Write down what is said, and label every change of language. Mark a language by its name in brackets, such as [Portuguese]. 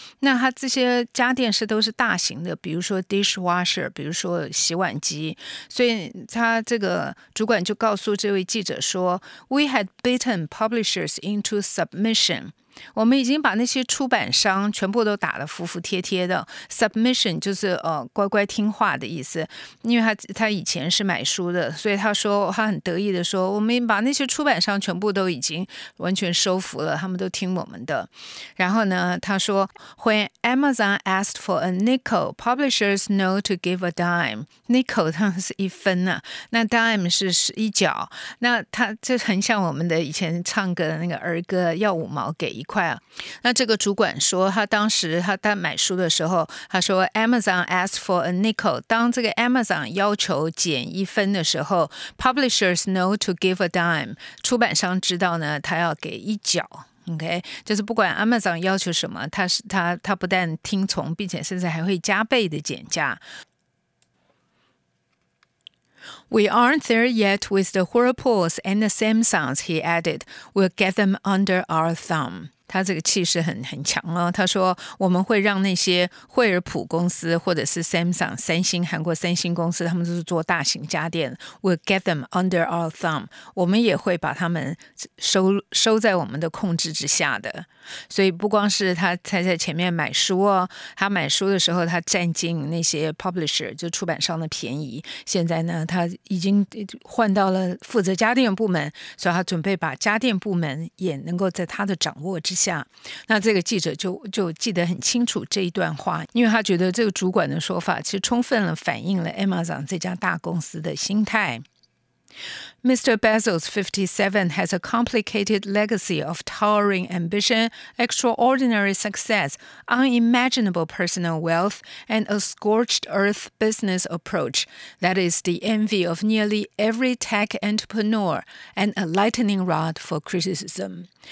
[Chinese] 那他这些家电是都是大型的，比如说 dishwasher， 比如说洗碗机，所以他这个主管就告诉这位记者说 [English] We had beaten publishers into submission， [Chinese] 我们已经把那些出版商全部都打得服服帖帖的。 submission 就是乖乖听话的意思，因为他以前是买书的，所以他说他很得意的说我们把那些出版商全部都已经完全收服了，他们都听我们的。然后呢他说 [English] When Amazon asked for a nickel, publishers know to give a dime. [Chinese] Nickel 它是一分啊，那 dime 是一角，那它就很像我们的以前唱歌的那个儿歌，要五毛给一块啊。那这个主管说他当时他在买书的时候，他说 [English] Amazon asked for a nickel， [Chinese] 当这个 Amazon 要求减一分的时候， [English] publishers know to give a dime， [Chinese] 出版商知道呢他要给一角。 OK， 就是不管 Amazon 要求什么，他不但听从，并且甚至还会加倍的减价。 [English] We aren't there yet with the Whirlpools and the Samsungs, he added. We'll get them under our thumb. [Chinese] 他这个气势很强哦。他说我们会让那些惠而浦公司或者是 Samsung 三星，韩国三星公司，他们都是做大型家电。 We'll get them under our thumb. 我们也会把他们 收在我们的控制之下的。所以不光是他在前面买书哦，他买书的时候他占尽那些 publisher 就出版商的便宜，现在呢他已经换到了负责家电部门，所以他准备把家电部门也能够在他的掌握之下。那这个记者就记得很清楚这一段话，因为他觉得这个主管的说法其实充分了反映了 Amazon 这家大公司的心态。 [English] Mr. Bezos, 57, has a complicated legacy of towering ambition, extraordinary success, unimaginable personal wealth, and a scorched-earth business approach that is the envy of nearly every tech entrepreneur and a lightning rod for criticism.